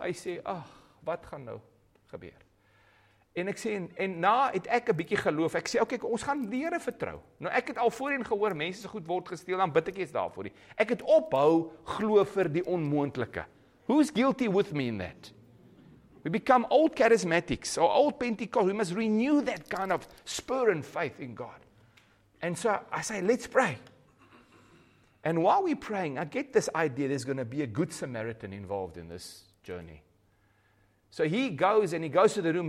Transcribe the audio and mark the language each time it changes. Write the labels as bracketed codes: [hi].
[af] Hy sê, ag, wat gaan nou gebeur? En ek sê, en na het ek 'n bietjie geloof. Ek sê, okay, ons gaan die Here vertrou. Nou ek het al voorheen gehoor, mense se goed word gesteel, dan bid ek eens daarvoor. Ek het ophou glo vir die onmoontlike. [en] Who's guilty with me in that? We become old charismatics, or old Pentecost. We must renew that kind of spur and faith in God. And so I say, let's pray. And while we're praying, I get this idea there's going to be a good Samaritan involved in this journey. So he goes and he goes to the room.